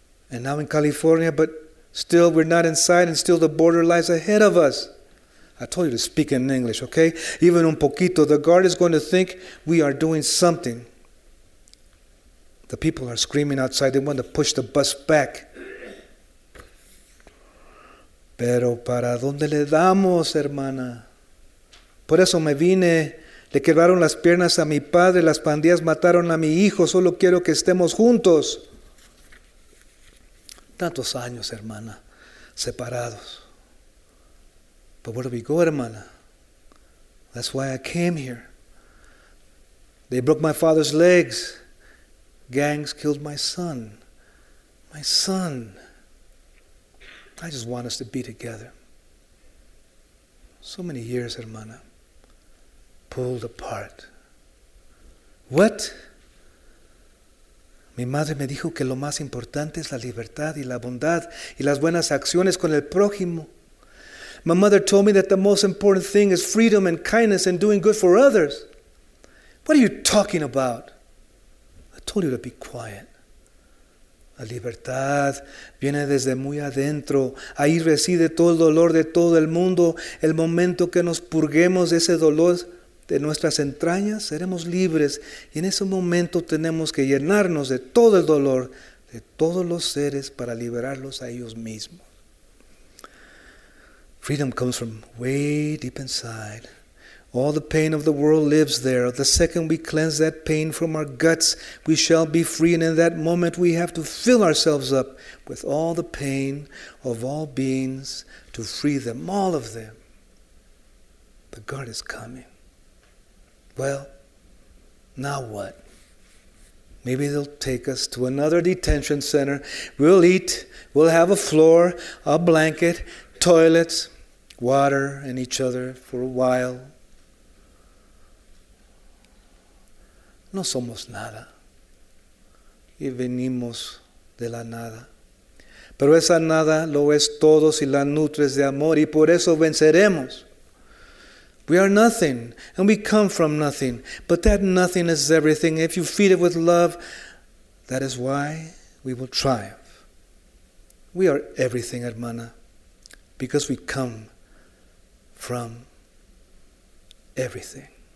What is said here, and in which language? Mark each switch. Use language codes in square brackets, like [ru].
[en] And now in California, but still we're not inside, and still the border lies ahead of us. I told you to speak in English, okay? Even [es] un poquito, [en] the guard is going to think we are doing something. The people are screaming outside. They want to push the bus back. [es] Pero para dónde le damos, hermana? Por eso me vine. Le quebraron las piernas a mi padre. Las pandillas mataron a mi hijo. Solo quiero que estemos juntos. Tantos años, hermana, separados. [en] But where do we go, hermana? That's why I came here. They broke my father's legs. Gangs killed my son. My son. I just want us to be together. So many years, hermana. Pulled apart. What? [es] Mi madre me dijo que lo más importante es la libertad y la bondad y las buenas acciones con el prójimo. [en] My mother told me that the most important thing is freedom and kindness and doing good for others. What are you talking about? I told you to be quiet. [es] La libertad viene desde muy adentro. Ahí reside todo el dolor de todo el mundo. El momento que nos purguemos de ese dolor de nuestras entrañas, seremos libres. Y en ese momento tenemos que llenarnos de todo el dolor de todos los seres para liberarlos a ellos mismos. [en] Freedom comes from way deep inside. All the pain of the world lives there. The second we cleanse that pain from our guts, we shall be free. And in that moment, we have to fill ourselves up with all the pain of all beings to free them, all of them. The guard is coming. Well, now what? Maybe they'll take us to another detention center. We'll eat, we'll have a floor, a blanket, toilets, water, and each other for a while. [es] No somos nada. Y venimos de la nada. Pero esa nada lo es todo si la nutres de amor, y por eso venceremos. [en] We are nothing, and we come from nothing, but that nothing is everything. If you feed it with love, that is why we will triumph. We are everything, hermana, because we come from everything.